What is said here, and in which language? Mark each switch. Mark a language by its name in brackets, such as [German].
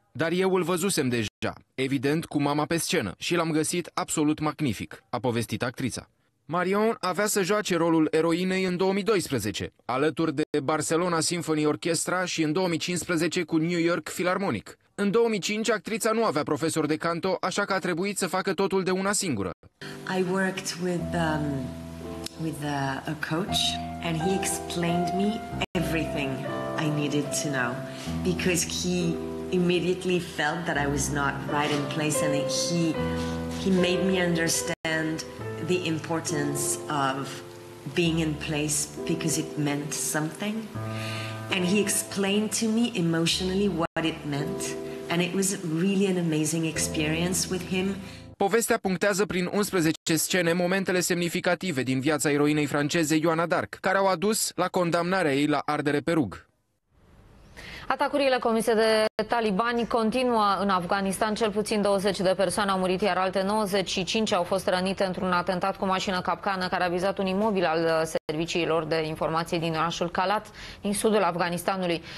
[Romanian] Dar eu îl văzusem deja, evident, cu mama pe scenă și l-am găsit absolut magnific, a povestit actrița. Marion avea să joace rolul eroinei în 2012, alături de Barcelona Symphony Orchestra și în 2015 cu New York Philharmonic. În 2005, actrița nu avea profesor de canto, așa că a trebuit să facă totul de una singură. [English] I worked with a coach and he explained me everything I needed to know because he immediately felt that I was not right in place and he made me understand the importance of being in place because it meant something. And he explained to me emotionally what it meant. And it was really an amazing experience with him. [Romanian] Povestea punctează prin 11 scene momentele semnificative din viața eroinei franceze Joana d'Arc, care au adus la condamnarea ei la ardere pe rug. Atacurile comise de talibani continuă în Afganistan. Cel puțin 20 de persoane au murit, iar alte 95 au fost rănite într-un atentat cu mașină capcană care a vizat un imobil al serviciilor de informații din orașul Kalat, din sudul Afganistanului.